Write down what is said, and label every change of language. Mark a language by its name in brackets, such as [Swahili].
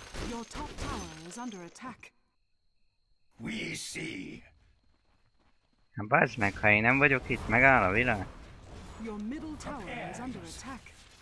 [English] Your top tower is under attack. We see. [Hungarian] Hát bazd meg, ha én nem vagyok itt, megáll a világ. [English] Your middle tower is under attack.